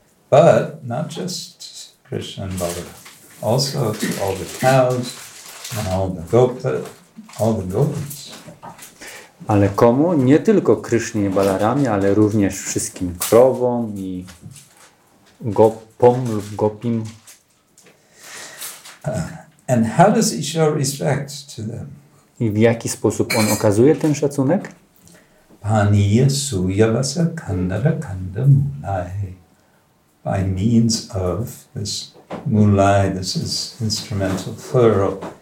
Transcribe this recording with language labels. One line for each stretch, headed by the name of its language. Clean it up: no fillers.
English: But not just Krishna and Balaram. Also to all the cows and all the gopas. All the gopis.
Polish: Ale komu? Nie tylko Krishna i Balaramie, ale również wszystkim krowom i gopom lub gopim.
English: And how does he show respect to them?
Polish: I w jaki sposób on okazuje ten szacunek?
Sanskrit: Paniya suyavasa kandara kandamulai.
English: By means of this mulai, this is instrumental plural.